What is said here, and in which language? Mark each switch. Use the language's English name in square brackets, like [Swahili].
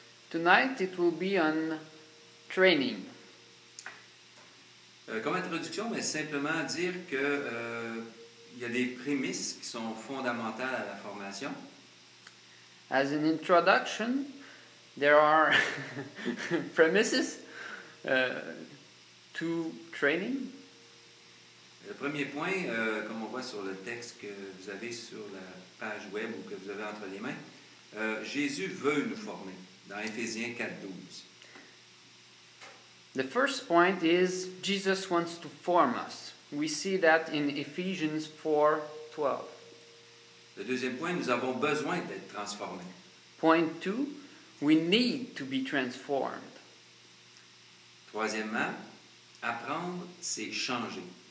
[English] Tonight it will be on training. [French] Comme introduction, mais simplement dire que il y a des prémices qui sont fondamentales à la formation. [English] As an introduction, there are premises to training. [French] Le premier point, comme on voit sur le texte que vous avez sur la page web ou que vous avez entre les mains, Jésus veut nous former, dans Éphésiens 4:12. [English] The first point is Jesus wants to form us. We see that in Ephesians 4:12. [French] Le deuxième point, nous avons besoin d'être transformés. [English] Point 2, we need to be transformed. [French] Troisièmement, apprendre, c'est changer.